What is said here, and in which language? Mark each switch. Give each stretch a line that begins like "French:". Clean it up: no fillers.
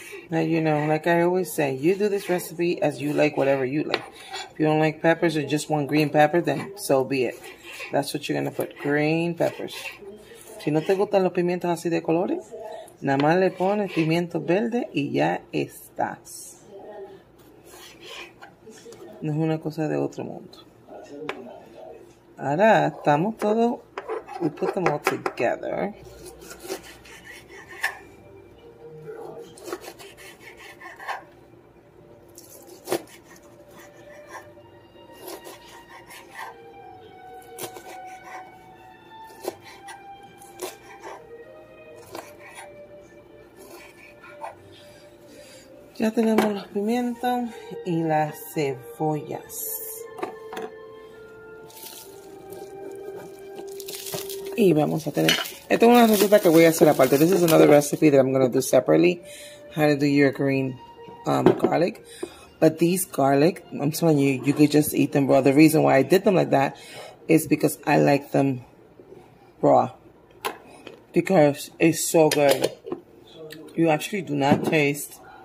English: Now, you know, like I always say, you do this recipe as you like, whatever you like. If you don't like peppers or just want green pepper, then so be it. That's what you're going to put, green peppers.
Spanish: Si no te gustan los pimientos así de colores, nada más le pones pimiento verde y ya estás. No es una cosa de otro mundo. Ahora estamos todos, we put them all together. Ya tenemos los pimientos y las cebollas. Y vamos a tener... Esta es una receta que voy a hacer aparte.
English: This is another recipe that I'm going to do separately. How to do your green garlic. But these garlic, I'm telling you, you could just eat them raw. The reason why I did them like that is because I like them raw. Because it's so good. You actually do not taste...